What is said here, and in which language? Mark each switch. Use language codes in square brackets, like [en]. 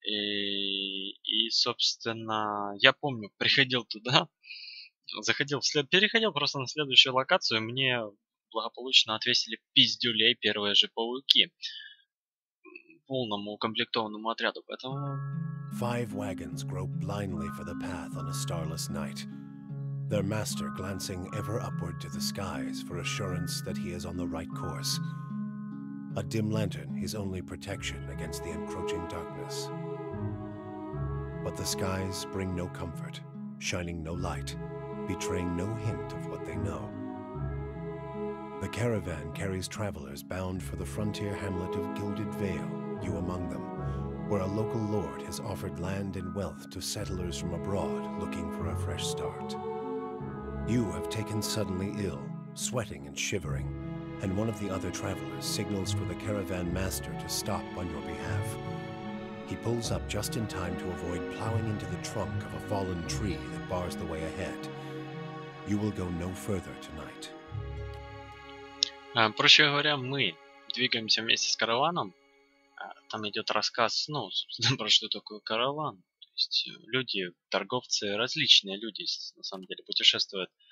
[ru] И, собственно, я помню, приходил туда, переходил просто на следующую локацию, мне благополучно отвесили пиздюлей первые же пауки полному укомплектованному отряду, поэтому... [en] Five wagons grope blindly for the path on a starless night, their master glancing ever upward to the skies for assurance that he is on the right course. A dim lantern, his only protection against the encroaching darkness. But the skies bring no comfort, shining no light, betraying no hint of what they know. The caravan carries travelers bound for the frontier hamlet of Gilded Vale, you among them, where a local lord has offered land and wealth to settlers from abroad looking for a fresh start. You have taken suddenly ill, sweating and shivering, and one of the other travelers signals for the caravan master to stop on your behalf. He pulls up just in time to avoid plowing into the trunk of a fallen tree that bars the way ahead. You will go no further tonight. [ru] Проще говоря, мы двигаемся вместе с караваном. Там идет рассказ, ну, собственно, про что такое караван. То есть люди, торговцы, различные люди, на самом деле, путешествуют.